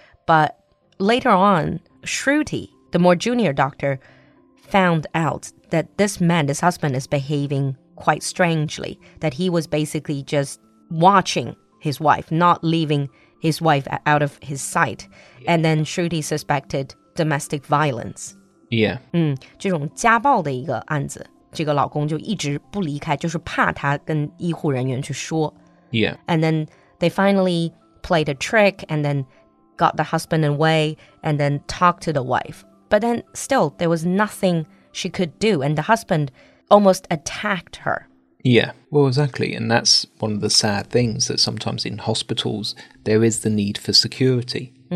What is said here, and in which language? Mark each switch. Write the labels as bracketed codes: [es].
[en] But later on, Shruti, the more junior doctor, found out that this man, this husband, is behaving quite strangely, that he was basically just watching his wife, not leaving his wife out of his sight. And then Shruti suspected domestic violence. Yeah. [zh] 这种家暴的一个案子，这个老公就一直不离开，就是怕他跟医护人员去说。 [en] Yeah. And then they finally played a trick and then got the husband away and then talked to the wife. But then still, there was nothing she could do. And the husband almost attacked her. Yeah, well, exactly. And that's one of the sad things, that sometimes in hospitals, there is the need for security.